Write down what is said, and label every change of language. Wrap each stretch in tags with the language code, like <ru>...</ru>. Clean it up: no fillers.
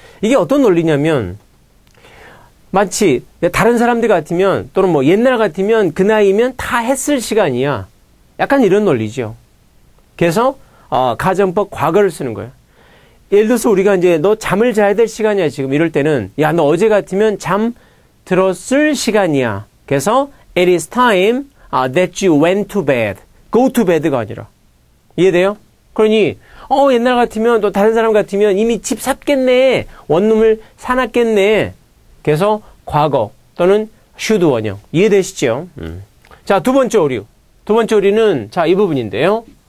<ko>이게 어떤 논리냐면 마치 다른 사람들 같으면 또는 뭐 옛날 같으면 그 나이면 다 했을 시간이야. 약간 이런 논리죠. 그래서 가정법 과거를 쓰는 거예요. 예를 들어서 우리가 이제 너 잠을 자야 될 시간이야 지금 이럴 때는 야 너 어제 같으면 잠 들었을 시간이야. 그래서</ko> <en>it is time that you went to bed. go to bed</en> <ko>가 아니라. 이해돼요? 그러니 옛날 같으면 또 다른 사람 같으면 이미 집 샀겠네. 원룸을 사놨겠네. 그래서 과거 또는 should 원형. 이해되시죠? 자, 두 번째 오류. 두 번째 오류는 자, 이 부분인데요.</ko>